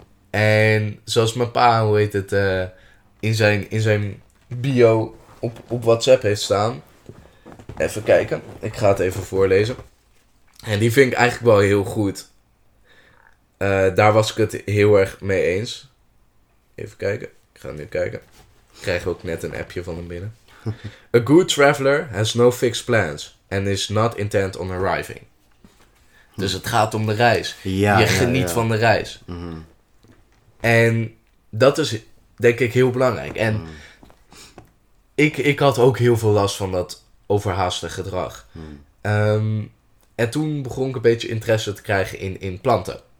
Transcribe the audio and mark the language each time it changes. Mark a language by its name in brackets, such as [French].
[Dutch] En zoals mijn pa, hoe heet het, in zijn bio op WhatsApp heeft staan... Even kijken. Ik ga het even voorlezen. En die vind ik eigenlijk wel heel goed. Daar was ik het heel erg mee eens. Even kijken. Ik ga nu kijken. Ik krijg ook net een appje van hem binnen. [English] A good traveler has no fixed plans and is not intent on arriving. [Dutch] Dus het gaat om de reis. Ja, je geniet van de reis. Mm-hmm. En dat is denk ik heel belangrijk. En ik had ook heel veel last van dat overhaaste gedrag. Hmm. En toen begon ik een beetje interesse te krijgen in planten.